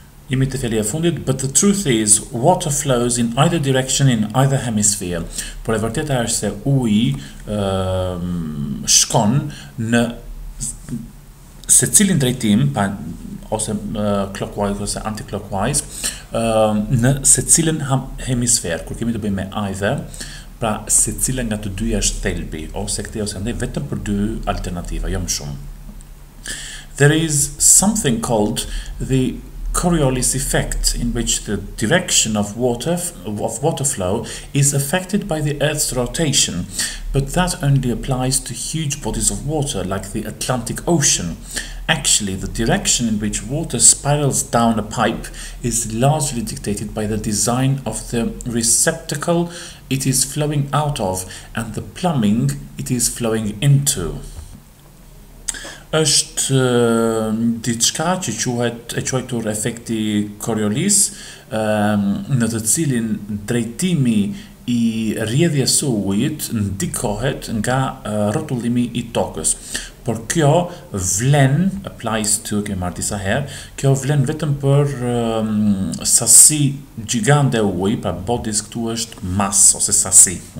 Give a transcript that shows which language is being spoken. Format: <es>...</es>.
<en>Imitatelli afundit, but the truth is water flows in either direction in either hemisphere.</en> <sq>Por e vërteta është se uji shkon në secilin drejtim pa ose clockwise ose anti-clockwise në secilin hemisfer, kur kemi të bëjmë me either, pra secila nga të dyja është thelbi ose këtë ose andaj vetëm për dy alternativa, jo më shumë.</sq> <en>There is something called the Coriolis effect, in which the direction of water flow is affected by the Earth's rotation, but that only applies to huge bodies of water like the Atlantic Ocean. Actually, the direction in which water spirals down a pipe is largely dictated by the design of the receptacle it is flowing out of and the plumbing it is flowing into.</en> <sq>Është diçka që quajtur efekti Coriolis, në të cilin drejtimi I rrjedhjes së ujit ndikohet nga rrotullimi I tokës. Por kjo vlen,</sq> <en>applies to,</en> <sq>kemi marrë disa herë, kjo vlen vetëm për sasi gjigande uji, pra bodies këtu është mas ose sasi.</sq>